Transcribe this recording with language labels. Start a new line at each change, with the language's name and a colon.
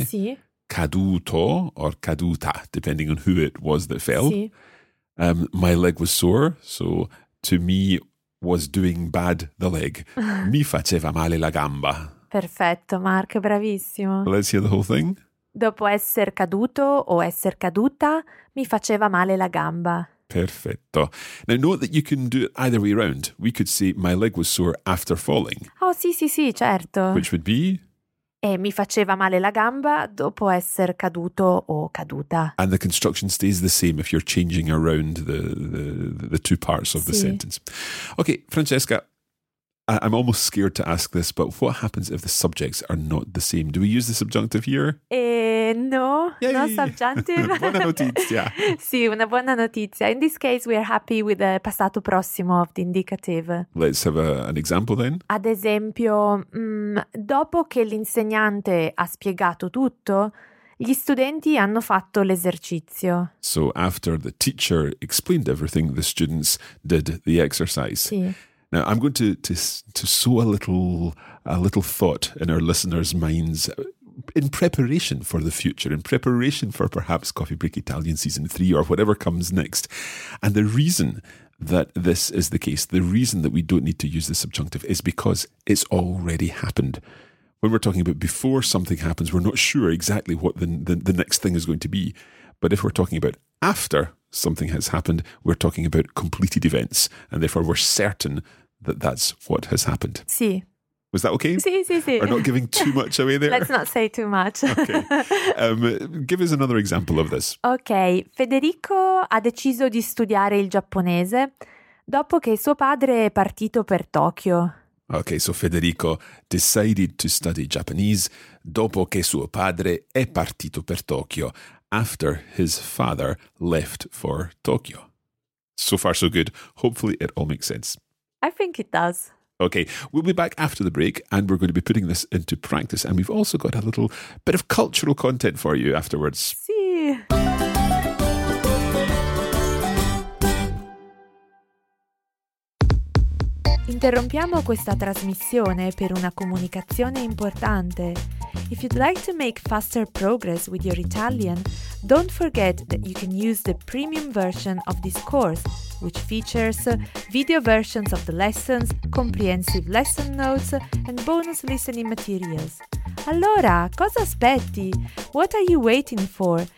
Italian: sì,
English: caduto or caduta, depending on who it was that fell. Sì. My leg was sore, so to me was doing bad the leg.
Italian: Mi faceva male la gamba. Perfetto, Mark, bravissimo.
English: Let's hear the whole thing.
Italian: Dopo essere caduto o esser caduta, mi faceva male la gamba. Perfetto.
English: Now note that you can do it either way around. We could say my leg was sore after falling.
Italian: Oh, sì, sì, sì, certo.
English: Which would be?
Italian: E mi faceva male la gamba dopo essere caduto o caduta.
English: And the construction stays the same if you're changing around the two parts of the sentence. Okay, Francesca, I'm almost scared to ask this, but what happens if the subjects are not the same? Do we use the subjunctive here? No, no subjunctive.
Italian: Buona notizia. Sì, una buona notizia.
English: In this case, we are happy with the passato prossimo of the indicative. Let's have an example then.
Italian: Ad esempio, dopo che l'insegnante ha spiegato tutto, gli studenti hanno fatto l'esercizio.
English: So after the teacher explained everything, the students did the exercise.
Italian: Sì.
English: Now I'm going to sow a little thought in our listeners' minds in preparation for the future, in preparation for perhaps Coffee Break Italian Season 3 or whatever comes next. And the reason that this is the case, the reason that we don't need to use the subjunctive is because it's already happened. When we're talking about before something happens, we're not sure exactly what the next thing is going to be. But if we're talking about after something has happened, we're talking about completed events. And therefore, we're certain that that's what has happened.
Italian: Sì.
English: Was that okay?
Italian: Sì, sì, sì.
English: We're not giving too much away there. Let's not say too much. Okay. Give us another example of this. Okay.
Italian: Federico ha deciso di studiare il giapponese dopo che suo padre è partito per Tokyo.
English: Okay, so Federico decided to study Japanese
Italian: dopo che suo padre è partito per Tokyo.
English: After his father left for Tokyo. So far, so good. Hopefully it all makes sense. I think it does. Okay, we'll be back after the break and we're going to be putting this into practice. And we've also got a little bit of cultural content for you afterwards. See.
Italian: Interrompiamo questa trasmissione per una comunicazione importante.
English: If you'd like to make faster progress with your Italian, don't forget that you can use the premium version of this course, which features video versions of the lessons, comprehensive lesson notes, and bonus listening materials.
Italian: Allora, cosa aspetti?
English: What are you waiting for?